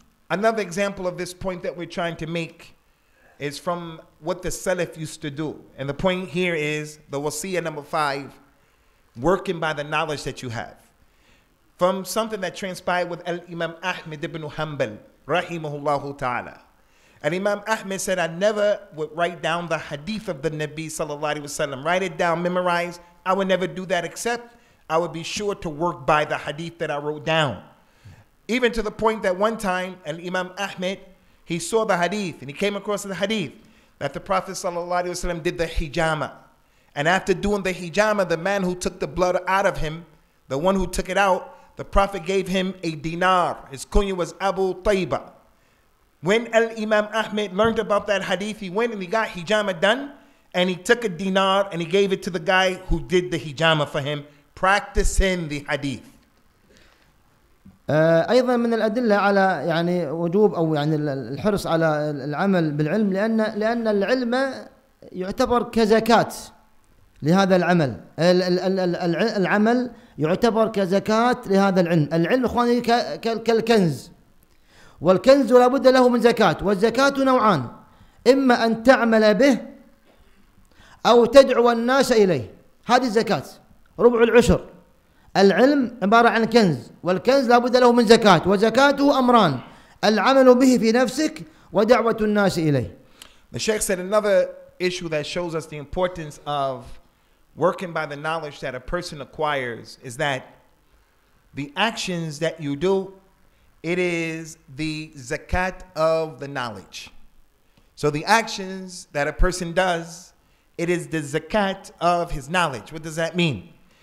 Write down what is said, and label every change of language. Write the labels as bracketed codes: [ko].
[en] Another example of this point that we're trying to make is from what the Salaf used to do, and the point here is the wasiyah number 5, working by the knowledge that you have. From something that transpired with Al-Imam Ahmed ibn Hanbal rahimahullahu ta'ala, Al-Imam Ahmed said, I never would write down the hadith of the Nabi sallallahu alayhi wa sallam. Write it down, memorize. I would never do that except I would be sure to work by the hadith that I wrote down. Even to the point that one time Al-Imam Ahmed, he saw the hadith and he came across the hadith that the Prophet sallallahu alayhi wa sallam did the hijama. And after doing the hijama, the man who took the blood out of him, the one who took it out, the Prophet gave him a dinar. His kunya was Abu Tayba. When Al-Imam Ahmed learned about that hadith, he went and he got hijama done, and he took a dinar and he gave it to the guy who did the hijama for him, practicing the hadith. [ar] أيضا من الأدلة على يعني وجوب أو يعني الحرص على العمل بالعلم لأن العلم يعتبر كزكاة لهذا العمل العمل يعتبر كزكاة لهذا العلم العلم إخواني كالكنز والكنز لا بد له من زكاة والزكاة نوعان إما أن تعمل به أو تدعو الناس إليه هذه الزكاة ربع العشر العلم عبارة عن كنز والكنز لا بد له من زكاة وزكاته أمران العمل به في نفسك ودعوة الناس إليه. [en] The Sheikh said another issue that shows us the importance of working by the knowledge that a person acquires is that the actions that you do, it is the zakat of the knowledge. So the actions that a person does, it is the zakat of his knowledge. What does that mean?